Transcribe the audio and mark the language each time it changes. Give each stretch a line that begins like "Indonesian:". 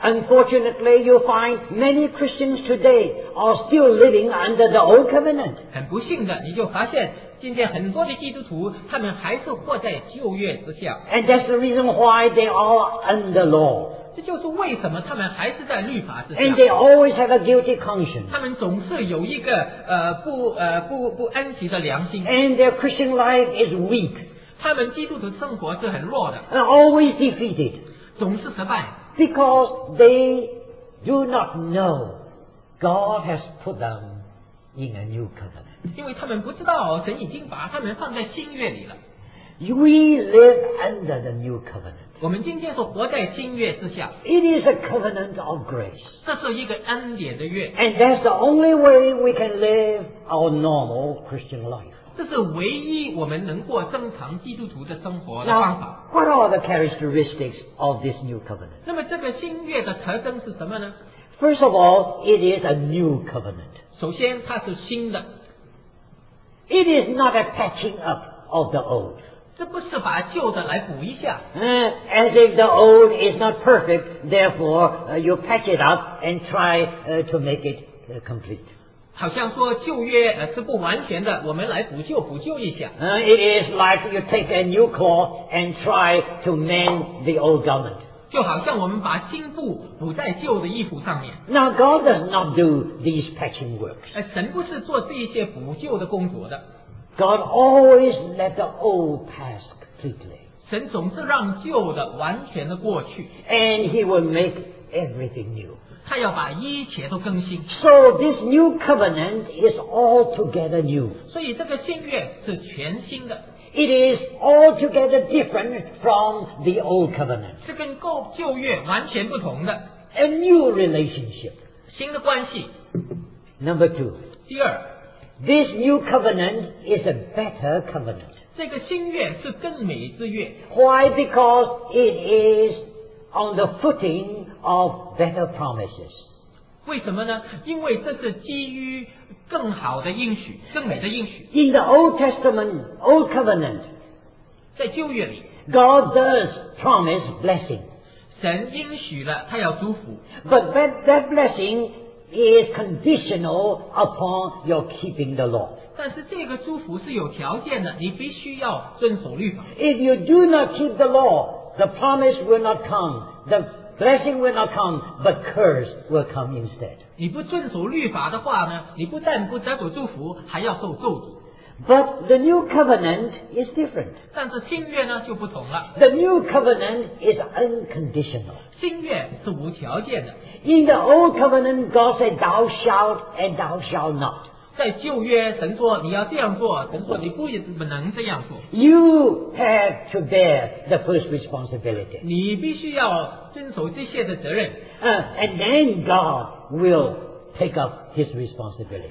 English: Unfortunately, you find many Christians today are still living under the old covenant.
Chinese: 很不幸的，你就发现今天很多的基督徒他们还是活在旧约之下。
English: And that's the reason why they are under law.
Chinese: 这就是为什么他们还是在律法之下。
English: And they always have a guilty conscience.
Chinese: 他们总是有一个不安息的良心。
English: And their Christian life is weak.
Chinese: 他们基督徒生活是很弱的。
English: And always defeated.
Chinese: 总是失败。
English: Because they do not know God has put them in a new covenant.
Chinese: 因为他们不知道神已经把他们放在新约里了。
English: We live under the new covenant.
Chinese: 我们今天是活在新约之下。
English: It is a covenant of grace.
Chinese: 这是一个恩典的约。
English: And that's the only way we can live our normal Christian life.
Chinese: 这是唯一我们能过正常基督徒的生活的方法。
English: Now, what are the characteristics of this new covenant?
Chinese: 那么这个新约的特征是什么呢？
English: First of all, it is a new covenant.
Chinese: 首先它是新的。
English: It is not a patching up of the old.
Chinese: 这不是把旧的来补一下。
English: As if the old is not perfect, therefore, you patch it up and try, to make it, complete.
Chinese: 好像说旧约是不完全的，我们来补救补救一下。
English: It is like you take a new cloth and try to mend the old garment.
Chinese: 就好像我们把新布补在旧的衣服上面。
English: Now God does not do these patching works.
Chinese: 神不是做这些补救的工作的。
English: God always let the old pass completely.
Chinese: 神总是让旧的完全的过去。
English: And He will make everything new.
Chinese: 他要把一切都更新。
English: So this new covenant is altogether new.
Chinese: 所以这个新约是全新的。
English: It is altogether different from the old covenant.
Chinese: 是跟旧约完全不同的。
English: A new relationship.
Chinese: 新的关系。
English: Number two.
Chinese: 第二。
English: This new covenant is a better covenant.
Chinese: 这个新约是更美之约。
English: Why? Because it is on the footing of better promises.
Chinese: 为什么呢？因为这是基于更好的应许，更美的应许。
English: In the Old Testament, Old Covenant,
Chinese: 在旧约里，
English: God does promise blessing.
Chinese: 神应许了，他要祝福。
English: But that blessing is conditional upon your keeping the law.
Chinese: 但是这个祝福是有条件的，你必须要遵守律法。
English: If you do not keep the law, the promise will not come. The blessing will not come, but curse will come instead.
Chinese: 你不遵守律法的话呢，你不但不得到祝福，还要受咒诅。
English: But the new covenant is different.
Chinese: 但是新约呢，就不同了。
English: The new covenant is unconditional.
Chinese: 新约是无条件的。
English: In the old covenant, God said, thou shalt and thou shalt not.
Chinese: 在旧约，神说你要这样做，神说你不能这样做。
English: You have to bear the first responsibility.
Chinese: 你必须要遵守这些的责任。
English: And then God will take up His responsibility.